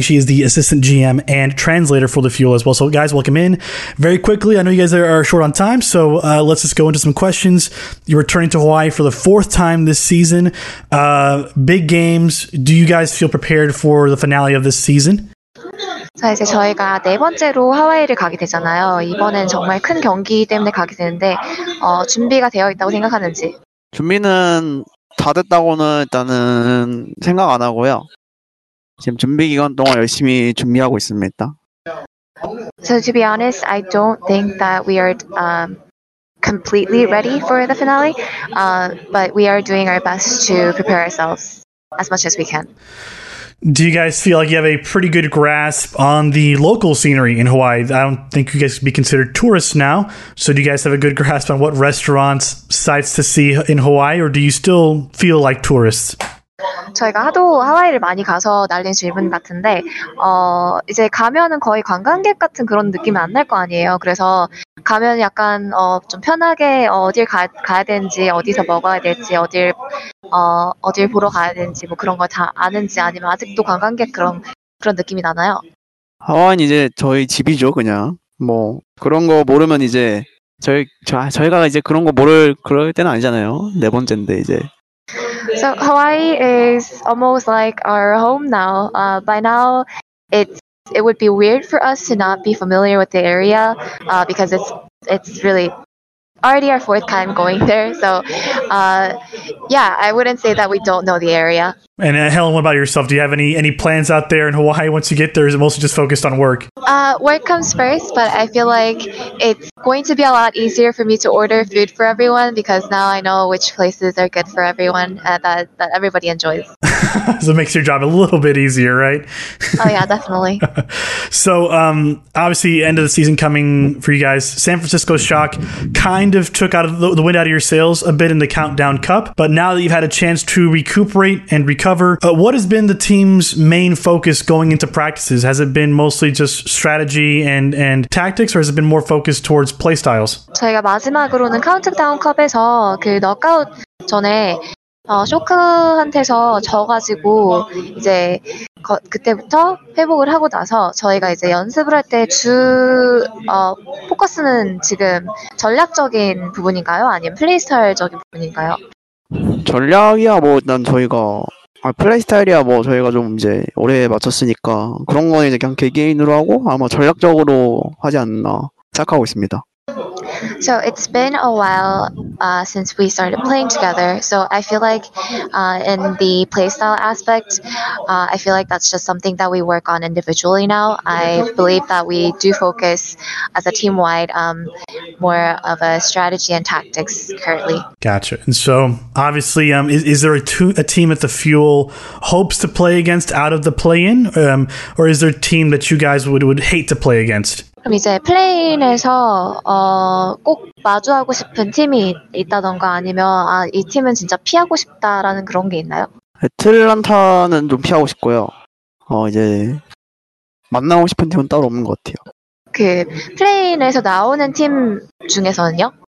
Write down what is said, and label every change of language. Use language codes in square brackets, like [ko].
[en] She is the assistant GM and translator for the Fuel as well. So guys, welcome in very quickly. I know you guys are short on time, so let's just go into some questions. You're returning to Hawaii for the fourth time this season. Big games. Do you guys feel prepared for the finale of this season? [ko] 자 이제 저희가 네 번째로 하와이를 가게 되잖아요. 이번엔 정말 큰 경기 때문에 가게 되는데 준비가 되어 있다고 생각하는지? 준비는 다 됐다고는 일단은 생각 안 하고요. 지금 준비 기간 동안 열심히 준비하고 있습니다. [en] So to be honest, I don't think that we are completely ready for the finale, but we are doing our best to prepare ourselves as much as we can. Do you guys feel like you have a pretty good grasp on the local scenery in Hawaii? I don't think you guys could be considered tourists now. So do you guys have a good grasp on what restaurants, sites to see in Hawaii, or do you still feel like tourists? [ko] 저희가 하도 하와이를 많이 가서 날린 질문 같은데 이제 가면은 거의 관광객 같은 그런 느낌이 안 날 거 아니에요. 그래서 가면 약간 좀 편하게 어딜 가야 되는지 어디서 먹어야 될지 어딜 보러 가야 되는지 뭐 그런 걸 다 아는지 아니면 아직도 관광객 그런 느낌이 나나요? 하와이는 이제 저희 집이죠, 그냥. 뭐 그런 거 모르면 이제 저희가 이제 그런 거 모를 그럴 때는 아니잖아요. 네 번째인데 이제. [en] So Hawaii is almost like our home now. By now, it would be weird for us to not be familiar with the area because it's really already our fourth time going there. So yeah, I wouldn't say that we don't know the area. And Helen, what about yourself? Do you have any plans out there in Hawaii once you get there? Is it mostly just focused on work? Work comes first, but I feel like it's going to be a lot easier for me to order food for everyone because now I know which places are good for everyone that everybody enjoys. So it makes your job a little bit easier, right? Oh yeah, definitely. So obviously end of the season coming for you guys. San Francisco Shock kind of took out of the wind out of your sails a bit in the Countdown Cup, but now that you've had a chance to recuperate and recover, what has been the team's main focus going into practices? Has it been mostly just strategy and tactics, or has it been more focused towards play styles? [ko] 저희가 마지막으로는 Countdown Cup에서 그 넉아웃 전에 쇼크한테서 져가지고 이제 그때부터 회복을 하고 나서 저희가 이제 연습을 할 때 주 포커스는 지금 전략적인 부분인가요? 아니면 플레이스타일적인 부분인가요? 전략이야 뭐 일단 저희가 플레이스타일이야 뭐 저희가 좀 이제 오래 맞췄으니까 그런 건 이제 그냥 개개인으로 하고 아마 전략적으로 하지 않나 생각하고 있습니다. [en] So it's been a while since we started playing together. So I feel like in the playstyle aspect, I feel like that's just something that we work on individually now. I believe that we do focus as a team-wide more of a strategy and tactics currently. Gotcha. And so obviously, is there a team that the Fuel hopes to play against out of the play-in? Or is there a team that you guys would hate to play against? [ko] 그럼 이제 플레인에서 꼭 마주하고 싶은 팀이 있다던가 아니면 아, 이 팀은 진짜 피하고 싶다라는 그런 게 있나요? 애틀란타는 좀 피하고 싶고요. 이제 만나고 싶은 팀은 따로 없는 것 같아요. 그 플레인에서 나오는 팀 중에서는요?